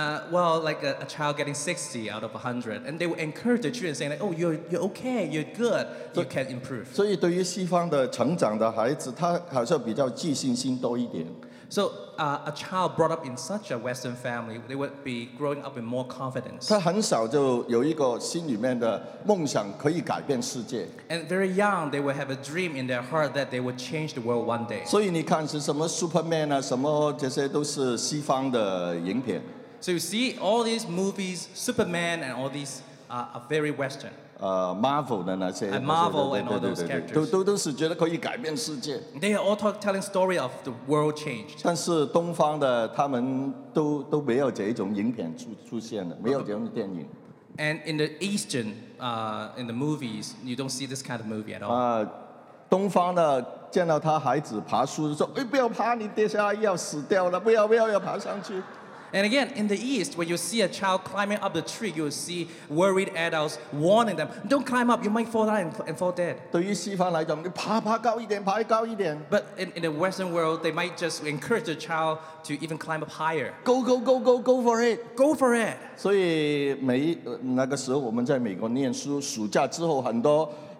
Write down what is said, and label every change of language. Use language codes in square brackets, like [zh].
[en] Well, like a child getting 60 out of 100, and they will encourage the children saying, like, oh, you're okay, you're good, you can improve. [zh] 所以对于西方的成长的孩子，他好像比较自信心多一点。 [en] So a child brought up in such a Western family, they would be growing up with more confidence. [zh] 他很少就有一个心里面的梦想可以改变世界。 [en] And very young, they would have a dream in their heart that they would change the world one day. [zh] 所以你看是什么 Superman 啊，什么这些都是西方的影片。 [en] So you see all these movies, Superman and all these are very Western. [zh] Marvel 的那些。 [en] And Marvel and all those characters. [zh] 都是觉得可以改变世界。 [en] They are all telling story of the world changed. [zh] 但是东方的他们都没有这种影片出现了，没有这种电影。 [en] And in the Eastern, in the movies, you don't see this kind of movie at all. [zh] 东方的见到他孩子爬树说，哎，不要爬，你跌下来要死掉了，不要爬上去。 [en] And again, in the East, when you see a child climbing up the tree, you'll see worried adults warning them, don't climb up, you might fall down and fall dead. [zh] 对于西方来讲，你爬爬高一点，爬高一点。 [en] But in the Western world, they might just encourage the child to even climb up higher. Go, go, go, go, go for it. Go for it. [zh] 所以那个时候我们在美国念书，暑假之后很多